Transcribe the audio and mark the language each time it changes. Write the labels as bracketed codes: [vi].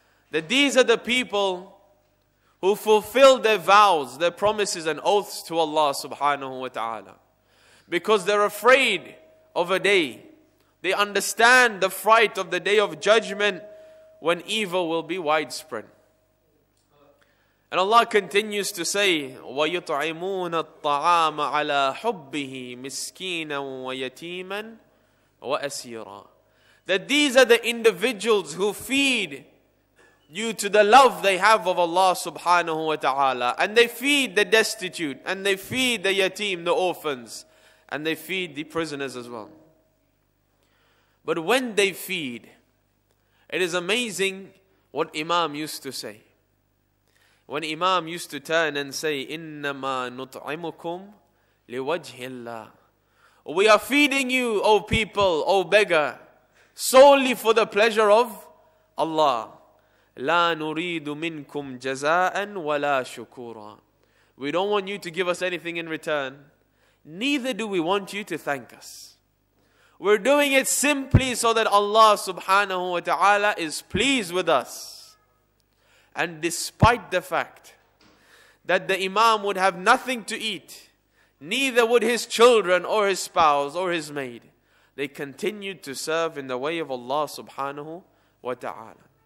[en] That these are the people who fulfill their vows, their promises and oaths to Allah subhanahu wa ta'ala, because they're afraid of a day. They understand the fright of the day of judgment when evil will be widespread. [ar] And Allah continues to say, وَيُطْعِمُونَ الطَّعَامَ عَلَىٰ حُبِّهِ مِسْكِينًا وَيَتِيمًا وَأَسِيرًا. [en] That these are the individuals who feed due to the love they have of Allah subhanahu wa ta'ala. And they feed the destitute, and they feed the yatim, the orphans, and they feed the prisoners as well. But when they feed, it is amazing what Imam used to say. When Imam used to turn and say, [ar] إِنَّمَا نُطْعِمُكُمْ لِوَجْهِ اللَّهِ. [en] We are feeding you, O people, O beggar, solely for the pleasure of Allah. [ar] لا نريد منكم جزاء ولا شكورا. [en] We don't want you to give us anything in return. Neither do we want you to thank us. We're doing it simply so that Allah subhanahu wa ta'ala is pleased with us. And despite the fact that the imam would have nothing to eat, neither would his children or his spouse or his maid, they continued to serve in the way of Allah subhanahu wa ta'ala.